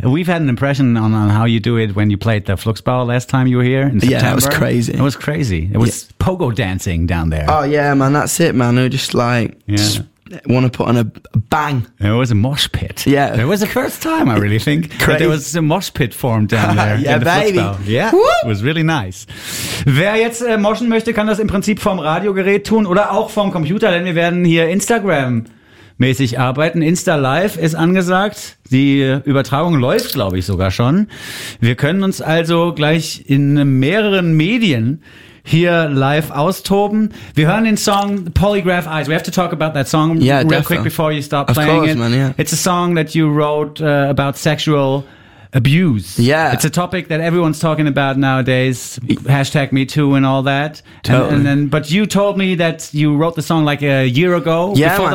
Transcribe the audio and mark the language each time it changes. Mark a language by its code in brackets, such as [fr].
[en] We've had an impression on how you do it when you played the Flux Ball last time you were here in September. Yeah, It was crazy. It was pogo dancing down there. Oh, yeah, man. That's it, man. It was just like... Yeah. Want to put on a bang. It was a mosh pit. Yeah. It was the first time, I really think. Crazy. There was a mosh pit formed down there. Yeah, in the baby. Yeah. Woo! It was really nice. [de] Wer jetzt moshen möchte, kann das im Prinzip vom Radiogerät tun oder auch vom Computer, denn wir werden hier Instagram-mäßig arbeiten. Insta Live ist angesagt. Die Übertragung läuft, glaube ich, sogar schon. Wir können uns also gleich in mehreren Medien hier live austoben. Wir hören den Song Polygraph Eyes. [en] We have to talk about that song quick before you start playing it. Of course, man, yeah. It's a song that you wrote about sexual abuse. Yeah. It's a topic that everyone's talking about nowadays. Hashtag Me Too and all that. Totally. But you told me that you wrote the song like a year ago before